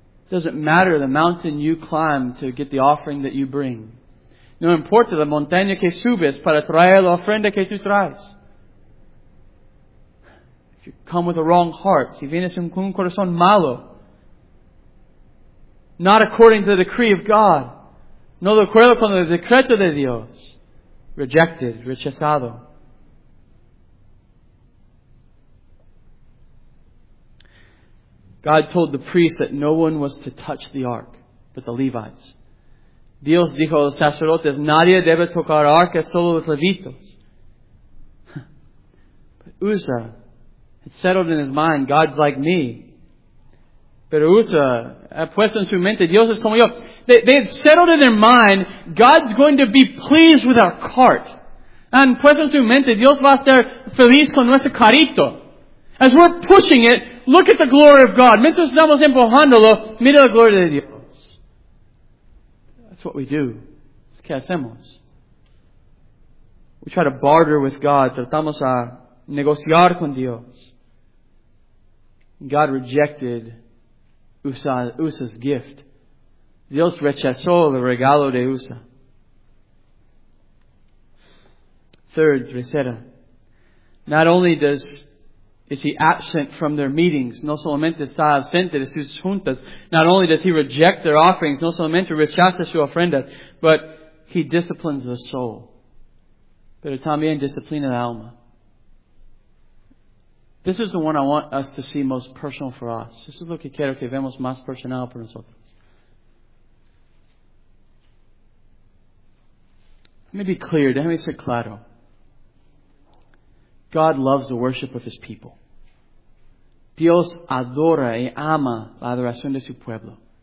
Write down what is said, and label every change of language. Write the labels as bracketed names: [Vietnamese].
[English] Doesn't matter the mountain you climb to get the offering that you bring. [Spanish] No importa la montaña que subes para traer la ofrenda que tú traes. [English] You come with a wrong heart. [Spanish] Si vienes con un corazón malo. [English] Not according to the decree of God. [Spanish] No de acuerdo con el decreto de Dios. [English] Rejected. [Spanish] Rechazado. [English] God told the priests that no one was to touch the ark but the Levites. [Spanish] Dios dijo a los sacerdotes, nadie debe tocar arca, solo los levitos. [English] But Uzzah, it's settled in his mind, God's like me. [Spanish] Pero Uzzah ha puesto en su mente, Dios es como yo. [English] They had settled in their mind, God's going to be pleased with our cart. [Spanish] And puesto en su mente, Dios va a estar feliz con nuestro carrito. [English] As we're pushing it, look at the glory of God. [Spanish] Mientras estamos empujándolo, mira la gloria de Dios. [English] That's what we do. [Spanish] Es que hacemos. [English] We try to barter with God. [Spanish] Tratamos a negociar con Dios. [English] God rejected Usa's gift. [Spanish] Dios rechazó el regalo de Usa. [English] Third, [Spanish] tercera. [English] Not only is he absent from their meetings, [Spanish] no solamente está ausente de sus juntas, [English] not only does he reject their offerings, [Spanish] no solamente rechaza su ofrenda, [English] but he disciplines the soul. [Spanish] Pero también disciplina la alma. [English] This is the one I want us to see most personal for us. [Spanish] Eso es lo que quiero que vemos más personal por nosotros. [English] Let me be clear. [Spanish] Déjame ser claro. [English] God loves the worship of His people. [Spanish] Dios adora y ama la adoración de su pueblo.